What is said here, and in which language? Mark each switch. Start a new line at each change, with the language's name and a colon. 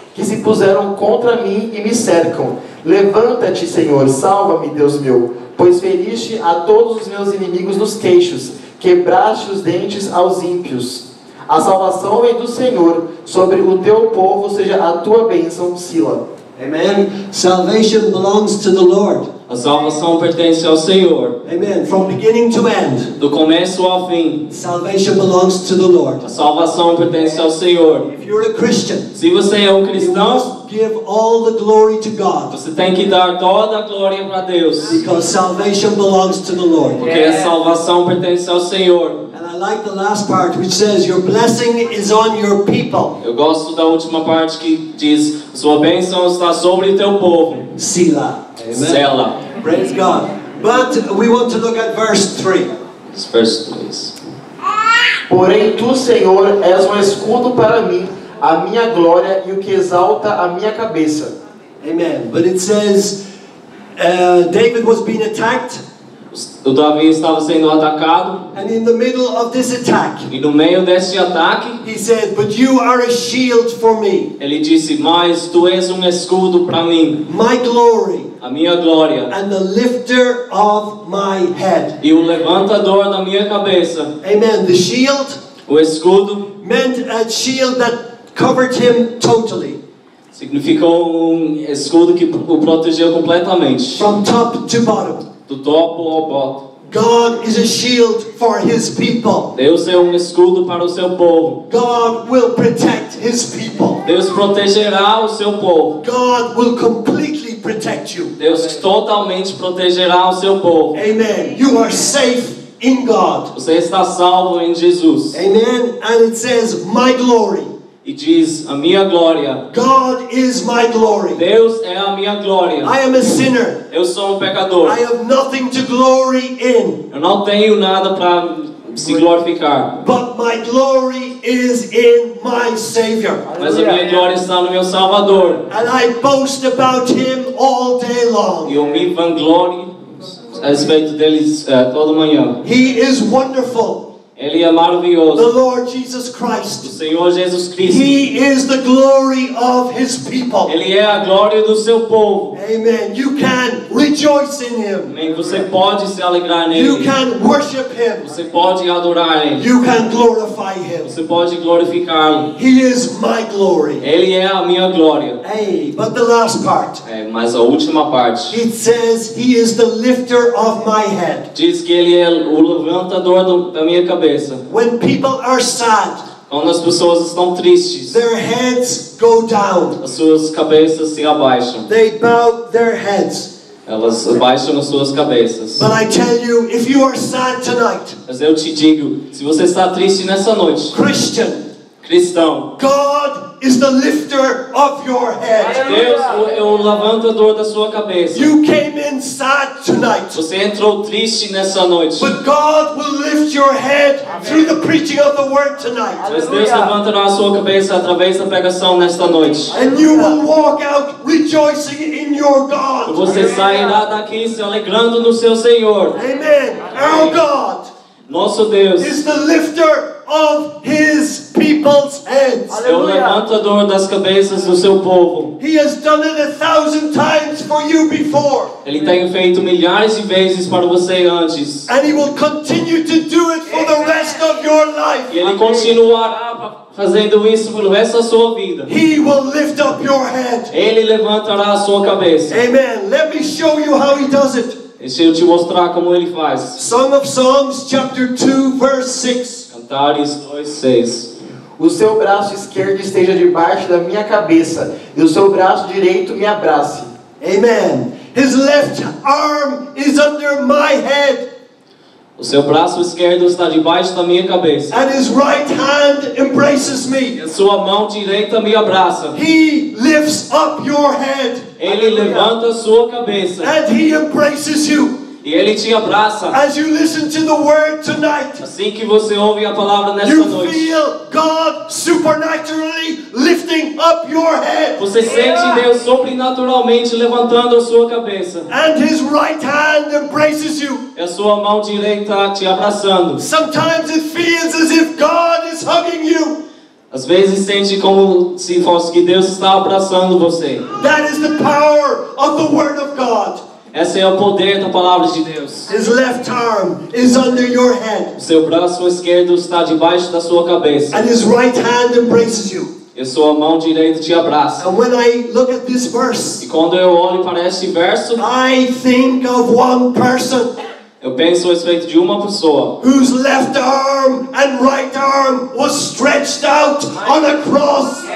Portuguese: que se puseram contra mim e me cercam. Levanta-te, Senhor, salva-me, Deus meu, pois feriste a todos os meus inimigos nos queixos, quebraste os dentes aos ímpios. A salvação vem do Senhor, sobre o teu povo seja a tua bênção, Sila. Amen.
English: Salvation belongs to the Lord.
Portuguese: A salvação pertence ao Senhor.
English: Amen. From beginning to end.
Portuguese: Do começo ao fim.
English: Salvation belongs to the Lord.
Portuguese: A salvação pertence ao Senhor.
English: If you're a Christian,
Portuguese: se você é um cristão,
English: give all the glory to God.
Portuguese: Você tem que dar toda a glória para Deus.
English: Because salvation belongs to the Lord.
Portuguese: Porque a salvação pertence ao Senhor.
English: I like the last part which says your blessing is on your people.
Portuguese: Eu gosto da última parte que diz sua bênção está sobre teu povo. Sila. Amen. Sela.
English: Praise God. But we want to look at verse 3. Verse 3.
Portuguese: Porém tu, Senhor, és um escudo para mim, a minha glória e o que exalta a minha cabeça. Amen.
English: But it says David was being attacked.
Portuguese: O Davi estava sendo atacado.
English: And in the middle of this attack,
Portuguese: e no meio desse ataque,
English: he said, "But you are a shield for me."
Portuguese: Ele disse: "Mas tu és um escudo para mim."
English: My glory.
Portuguese: A minha glória.
English: And the lifter of my head.
Portuguese: E o levantador da minha cabeça.
English: Amen. The shield.
Portuguese: O escudo.
English: Meant a shield that covered him totally.
Portuguese: Significou um escudo que o protegeu completamente.
English: From top to bottom.
Portuguese: Do topo ao bote.
English: God is a shield for his people.
Portuguese: Deus é um escudo para o seu povo.
English: God will protect his people.
Portuguese: Deus protegerá o seu povo.
English: God will completely protect you.
Portuguese: Deus totalmente protegerá o seu povo.
English: Amen. You are safe in God.
Portuguese: Você está salvo em Jesus.
English: Amen. And it says, my glory.
Portuguese: E diz a minha glória.
English: God is my glory.
Portuguese: Deus é a minha glória.
English: I am a sinner.
Portuguese: Eu sou um pecador.
English: I have nothing to glory in.
Portuguese: Eu não tenho nada para se glorificar.
English: But my glory is in my Savior.
Portuguese: Mas a minha glória está no meu Salvador.
English: And I boast about him all day long.
Portuguese: E eu me vanglorio a respeito dele toda manhã.
English: He is wonderful.
Portuguese: Ele é maravilhoso.
English: The Lord Jesus Christ.
Portuguese: O Senhor Jesus Cristo.
English: He is the glory of his people.
Portuguese: Ele é a glória do seu povo.
English: Amen. You can rejoice in him.
Portuguese: Amém. Você pode se alegrar nele.
English: You can worship him.
Portuguese: Você pode adorar ele.
English: You can glorify him.
Portuguese: Você pode glorificá-lo.
English: He is my glory.
Portuguese: Ele é a minha glória.
English: Hey, but the last part.
Portuguese: É, mas a última parte.
English: It says he is the lifter of my head.
Portuguese: Diz que ele é o levantador da minha cabeça.
English: When people are sad,
Portuguese: quando as pessoas estão tristes,
English: their heads go down,
Portuguese: as suas cabeças se abaixam.
English: They bow their heads.
Portuguese: Elas abaixam as suas cabeças.
English: But I tell you, if you are sad tonight,
Portuguese: mas eu te digo, se você está triste nessa noite,
English: Christian,
Portuguese: cristão,
English: God is the lifter of your head.
Portuguese: Deus é o levantador da sua cabeça.
English: You came in sad tonight.
Portuguese: Você entrou triste nessa noite.
English: But God will lift your head. Amen. Through the preaching of the word tonight.
Portuguese: Mas Deus levantará a sua cabeça através da pregação nesta noite.
English: And you will walk out rejoicing in your God.
Portuguese: Você sairá daqui se alegrando no seu Senhor.
English: Amen. Amen. Our God.
Portuguese: Nosso Deus.
English: Is the lifter of his people's heads.
Portuguese: É o levantador das cabeças do seu povo.
English: He has done it a thousand times for you before.
Portuguese: Ele tem feito milhares de vezes para você antes.
English: And he will continue to do it for the rest of your life.
Portuguese: E ele continuará fazendo isso pelo resto da sua vida.
English: He will lift up your head.
Portuguese: Ele levantará a sua cabeça.
English: Amen. Let me show you how he does it.
Portuguese: Deixa eu te mostrar como ele faz.
English: Song of Songs, chapter 2, verse 6.
Portuguese: Cantares 2:6. O seu braço esquerdo esteja debaixo da minha cabeça e o seu braço direito me abrace. Amen.
English: His left arm is under my head.
Portuguese: O seu braço esquerdo está debaixo da minha cabeça.
English: And his right hand embraces me.
Portuguese: E sua mão direita me abraça.
English: He lifts up your head.
Portuguese: Ele levanta a sua cabeça.
English: And he embraces you.
Portuguese: E ele te abraça.
English: As you listen to the word tonight,
Portuguese: assim que você ouve a palavra nesta
English: you
Portuguese: noite,
English: feel God supernaturally lifting up your head.
Portuguese: Você sente Deus sobrenaturalmente levantando a sua cabeça.
English: And his right hand embraces you.
Portuguese: E a sua mão direita te abraçando.
English: Sometimes it feels as if God is hugging you.
Portuguese: Às vezes sente como se fosse que Deus está abraçando você.
English: That is the power of the word of God.
Portuguese: Esse é o poder da palavra de Deus.
English: His left arm is under your head.
Portuguese: Seu braço esquerdo está debaixo da sua cabeça.
English: And his right hand embraces you.
Portuguese: E sua mão direita te abraça.
English: And when I look at this verse,
Portuguese: e quando eu olho para esse verso,
English: I think of one person.
Portuguese: Eu penso a respeito de uma pessoa.
English: Whose left arm and right arm was stretched out on a cross.